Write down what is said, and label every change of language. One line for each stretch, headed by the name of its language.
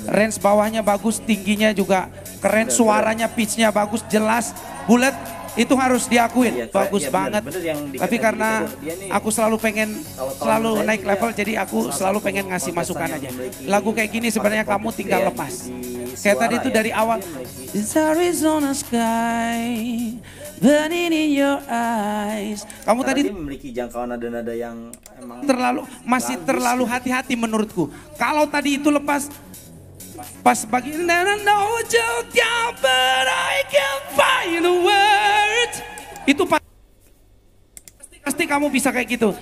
Indonesian: Range bawahnya bagus, tingginya juga keren, bener, suaranya bener. Pitch-nya bagus, jelas, bulat. Itu harus diakuin, ya, bagus ya, banget. Bener. Tapi karena aku selalu pengen selalu naik level, jadi aku selalu pengen ngasih masukan aja. Lagu kayak gini sebenarnya kamu tinggal lepas. Kayak tadi itu dari awal.
English: It's Arizona sky, burning in your eyes.
Indonesian: Kamu tadi memiliki jangkauan nada-nada yang emang masih terlalu hati-hati menurutku. Kalau tadi itu lepas, pas bagi nana no joke ya,
English: but I can find a word.
Indonesian: Itu pasti kamu bisa kayak gitu.